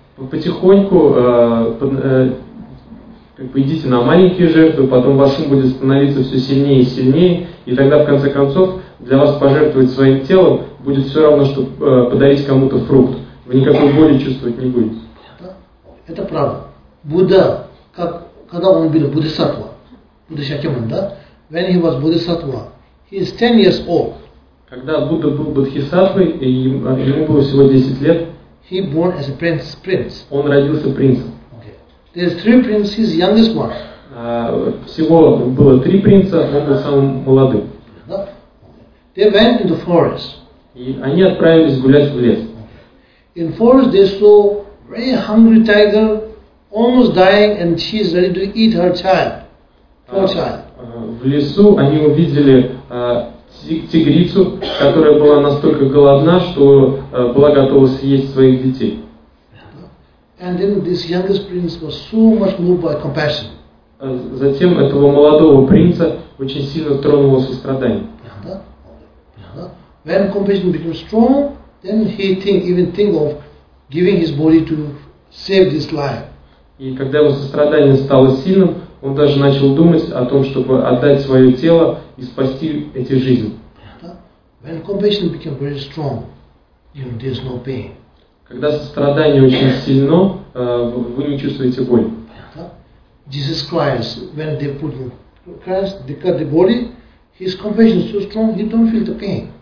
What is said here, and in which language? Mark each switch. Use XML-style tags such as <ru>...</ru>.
<ru>Потихоньку, как бы идите на маленькие жертвы, потом ваш ум будет становиться все сильнее и сильнее, и тогда в конце концов для вас пожертвовать своим телом будет все равно, что подарить кому-то фрукт. Вы никакой боли чувствовать не будете. Это правда. Будда, как, когда он был Буддхисаттва, Буддхисаттваман, да?</ru> <en>When he was Buddhisattva, he is 10 years old.</en> <ru>Когда Будда был Буддхисаттвой, и ему было всего 10 лет,</ru> <en>he born as a prince.</en> <ru>Он родился принцем.</ru> <en>There are 3 princes, his youngest one.</en> <ru>Всего было 3 принца, он был самым молодым.</ru> <en>They went in the forest.</en> <ru>И они отправились гулять в лес.</ru> <en>In forest they saw very hungry tiger, almost dying, and she is ready to eat her child. Poor child.</en> <ru>В лесу они увидели тигрицу, которая была настолько голодна, что была готова съесть своих детей.</ru> <en>And then this youngest prince was so much moved by compassion.</en> <ru>Затем этого молодого принца очень сильно тронуло сострадание.</ru> <en>When compassion became strong, then he even think of giving his body to save this life.</en> <ru>И когда его сострадание стало сильным, он даже начал думать о том, чтобы отдать свое тело и спасти эти жизни.</ru> <en>When compassion became very strong, you know, there's no pain.</en> <ru>Когда сострадание очень сильно, вы не чувствуете боль.</ru> <en>Jesus Christ, when they put Christ, they cut the body, his compassion is so strong, he don't feel the pain.</en>